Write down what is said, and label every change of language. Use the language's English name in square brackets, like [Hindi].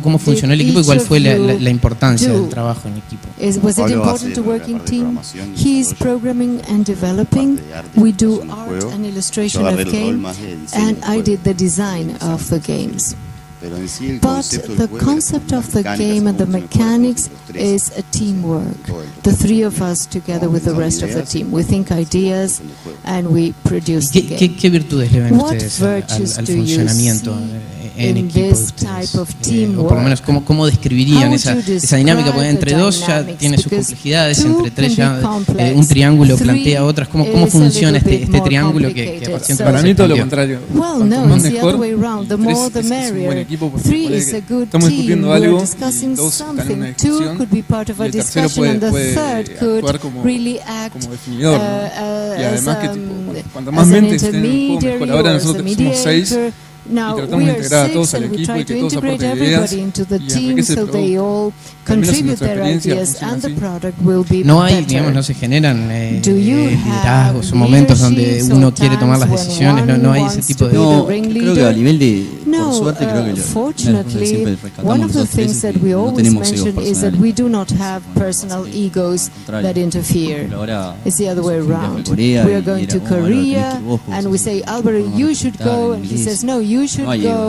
[Spanish] ¿Cómo funcionó el equipo y cuál fue la importancia del trabajo en equipo? [English] Was it important to work in team? He's programming and developing. We do art and illustration of games, and I did the design of the games. But the concept of the game and the mechanics is a teamwork. The three of us together with the rest of the team. We think ideas and we produce the game. [Spanish] ¿Qué virtudes le ven ustedes al funcionamiento en equipo de ustedes? [English] Type of teamwork? [Spanish] Por lo menos, ¿cómo describirían esa dinámica? Porque entre dos ya tiene sus complejidades, entre tres ya un triángulo plantea otras. ¿Cómo funciona este triángulo que para mí todo lo contrario. [English] Well, no, it's the other way around. The more the merrier. Three is a good team. We're discussing something. Two could be part of a discussion, and the third could really act as an intermediary or as a mediator. Now we are six, and we try to integrate everybody into the team so they all contribute their ideas, and the product will be better. [Spanish] No se generan liderazgos o momentos donde uno quiere tomar las decisiones. No hay ese tipo de. No, creo que a nivel de. [English] Unfortunately, one of the things that we always mention is that we do not have personal egos that interfere. It's the other way around. We are going to Korea, and we say, Alvaro, you should go, and he says, no, you should go.